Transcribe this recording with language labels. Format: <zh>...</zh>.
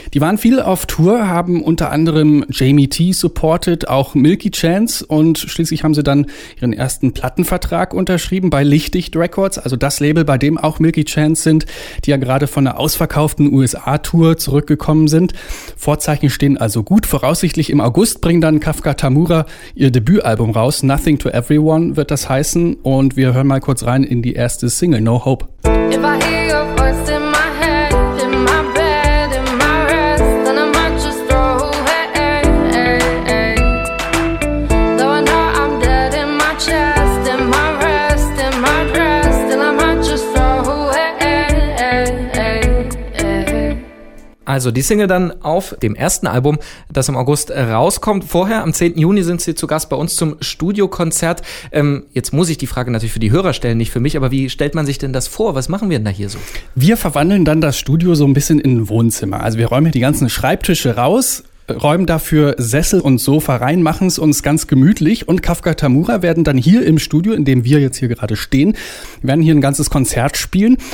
<de>Die waren viel auf Tour, haben unter anderem Jamie T supported, auch Milky Chance und schließlich haben sie dann ihren ersten Plattenvertrag unterschrieben bei Lichtdicht Records, also das Label, bei dem auch Milky Chance sind, die ja gerade von einer ausverkauften USA-Tour zurückgekommen sind. Vorzeichen stehen also gut. Voraussichtlich im August bringen dann Kafka Tamura ihr Debütalbum raus. Nothing to Everyone wird das heißen. Und wir hören mal kurz rein in die erste Single, No Hope.</de> <en>If I hear your voice in my head, in my bed, in my rest, then I might just throw away. Though I know I'm dead in my chest, in my breast, then I might just throw away.</en> <de>Also die Single dann auf dem ersten Album, das im August rauskommt. Vorher, am 10. Juni, sind sie zu Gast bei uns zum Studiokonzert. Jetzt muss ich die Frage natürlich für die Hörer stellen, nicht für mich, aber wie stellt man sich denn das vor? Was machen wir denn da hier so? Wir verwandeln dann das Studio so ein bisschen in ein Wohnzimmer. Also wir räumen hier die ganzen Schreibtische raus, räumen dafür Sessel und Sofa rein, machen es uns ganz gemütlich und Kafka Tamura werden dann hier im Studio, in dem wir jetzt hier gerade stehen, werden hier ein ganzes Konzert spielen.</de>